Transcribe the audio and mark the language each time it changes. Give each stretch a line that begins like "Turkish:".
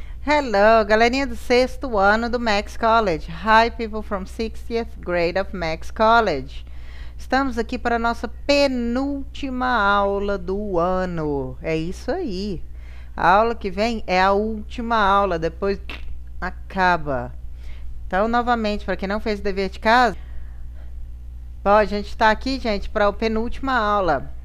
English: Hello,
Portuguese: galerinha do sexto ano do Max College.
English: Hi, people from 60th grade of Max College.
Portuguese: Estamos aqui para a nossa penúltima aula do ano. É isso aí. A aula que vem é a última aula, depois acaba. Então, novamente, para quem não fez o dever de casa. Bom, a gente está aqui, gente, para a penúltima aula.